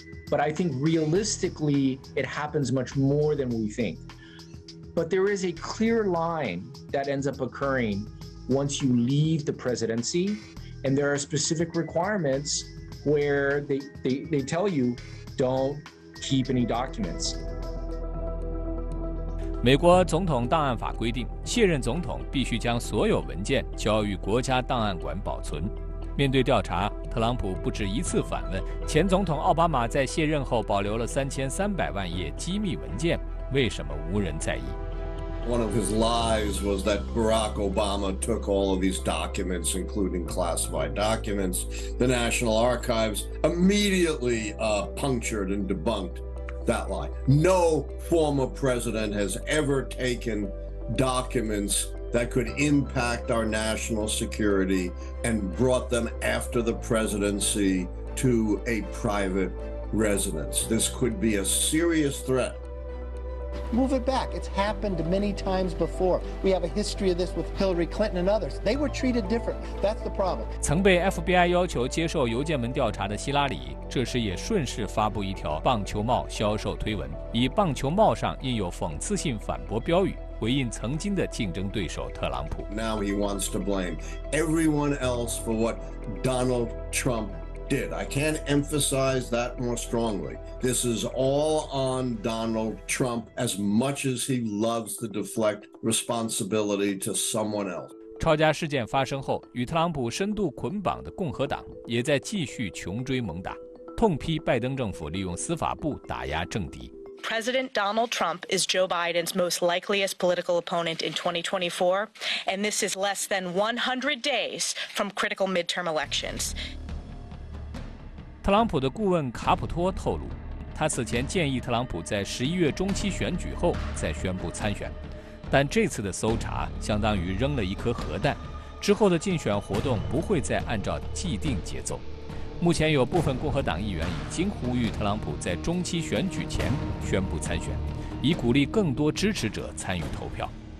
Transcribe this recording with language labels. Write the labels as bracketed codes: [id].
[en] But I think realistically, it happens much more than we think. But there is a clear line that ends up occurring once you leave the presidency, and there are specific requirements. Where they tell you, don't keep any documents. [zh] 美国总统档案法规定，卸任总统必须将所有文件交予国家档案馆保存。面对调查，特朗普不止一次反问，前总统奥巴马在卸任后保留了3300万页机密文件，为什么无人在意？ [en] One of his lies was that Barack Obama took all of these documents, including classified documents. The National Archives immediately punctured and debunked that lie. No former president has ever taken documents that could impact our national security and brought them after the presidency to a private residence. This could be a serious threat. Move it back. It's happened many times before. We have a history of this with Hillary Clinton and others. They were treated different. That's the problem. [zh] 曾被 FBI 要求接受邮件门调查的希拉里，这时也顺势发布一条棒球帽销售推文，以棒球帽上印有讽刺性反驳标语，回应曾经的竞争对手特朗普。 [en] Now he wants to blame everyone else for what Donald Trump did. I can't emphasize that more strongly. This is all on Donald Trump, as much as he loves to deflect responsibility to someone else. [zh] 抄家事件发生后，与特朗普深度捆绑的共和党也在继续穷追猛打，痛批拜登政府利用司法部打压政敌。 [en] President Donald Trump is Joe Biden's most likeliest political opponent in 2024, and this is less than 100 days from critical midterm elections. [zh] 特朗普的顾问卡普托透露。他此前建议特朗普在11月中期选举后再宣布参选，但这次的搜查相当于扔了一颗核弹，之后的竞选活动不会再按照既定节奏。目前有部分共和党议员已经呼吁特朗普在中期选举前宣布参选，以鼓励更多支持者参与投票。